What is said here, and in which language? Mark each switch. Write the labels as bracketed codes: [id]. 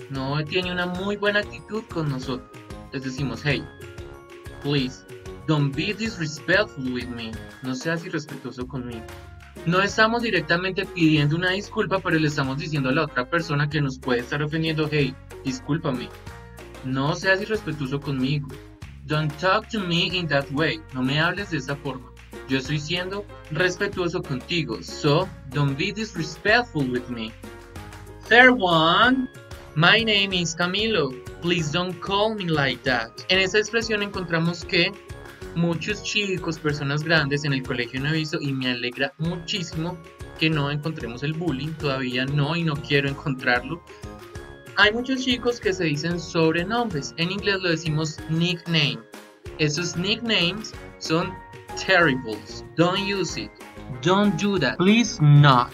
[es] No tiene una muy buena actitud con nosotros. Les decimos, [en] hey, please, don't be disrespectful with me. [es] No seas irrespetuoso conmigo. No estamos directamente pidiendo una disculpa, pero le estamos diciendo a la otra persona que nos puede estar ofendiendo, hey, discúlpame, no seas irrespetuoso conmigo. [en] Don't talk to me in that way, [es] no me hables de esa forma. Yo estoy siendo respetuoso contigo, [en] so don't be disrespectful with me. Third one, my name is Camilo, please don't call me like that. [es] En esa expresión encontramos que muchos chicos, personas grandes en el colegio no he visto y me alegra muchísimo que no encontremos el bullying, todavía no y no quiero encontrarlo. Hay muchos chicos que se dicen sobrenombres, en inglés lo decimos nickname. Esos nicknames son terrible, [en] don't use it, don't do that, please not.